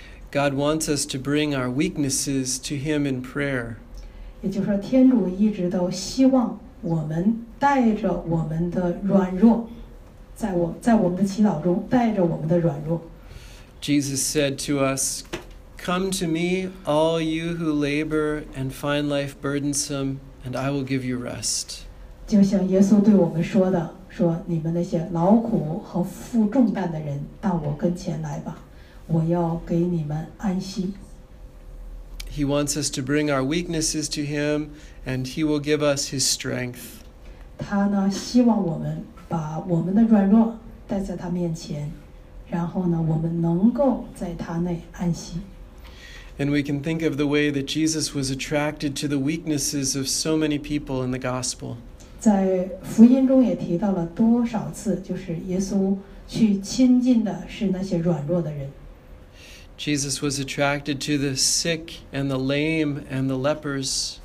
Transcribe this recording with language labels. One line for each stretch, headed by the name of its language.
English: God wants us to bring our weaknesses to Him in prayer.
Chinese: 也就是说，天主一直都希望我们带着我们的软弱，在我们的祈祷中带着我们的软弱。
English: Jesus said to us, "Come to me, all you who labor and find life burdensome, and I will give you rest."
Chinese: 就像耶稣对我们说的，说你们那些劳苦和负重担的人，到我跟前来吧，我要给你们安息。
English: He wants us to bring our weaknesses to him, and he will give us his strength.
Chinese: 他呢，希望我们把我们的软弱带在他面前，然后呢，我们能够在他内安息。
English: And we can think of the way that Jesus was attracted to the weaknesses of so many people in the gospel.
Chinese: 在福音中也提到了多少次，就是耶稣去亲近的是那些软弱的人。
English: Jesus was attracted to the sick and the lame and the lepers.